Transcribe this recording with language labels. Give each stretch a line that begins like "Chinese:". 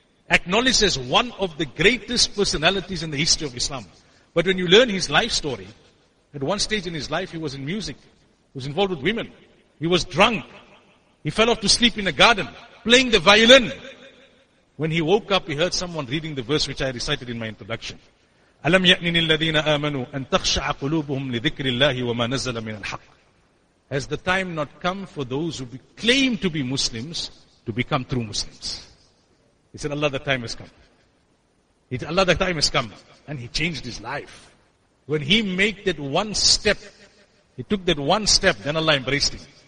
English: Acknowledged as one of the greatest personalities in the history of Islam. But when you learn his life story, at one stage in his life he was in music, he was involved with women, he was drunk, he fell off to sleep in a garden, playing the violin. When he woke up, he heard someone reading the verse which I recited in my introduction.
Arabic: ألم يأنن الذين آمنوا أن تخشع قلوبهم لذكر الله وما نزل من الحق.
English: Has the time not come for those who claim to be Muslims to become true Muslims? He said, Allah, the time has come. He said, Allah, the time has come. And he changed his life. When he made that one step, he took that one step, then Allah embraced him.